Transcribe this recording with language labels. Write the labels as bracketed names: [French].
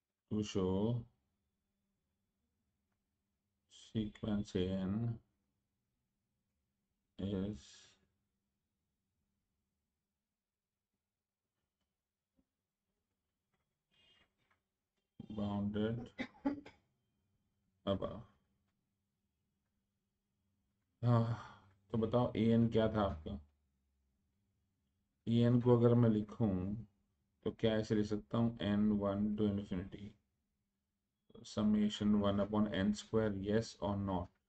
[English] To show sequence n is bounded above. [Hindi] तो बताओ an क्या था आपका? an को अगर मैं लिखूं तो क्या ऐसे लिख सकता हूँ [English] n 1 to infinity summation 1 upon n square, yes or not?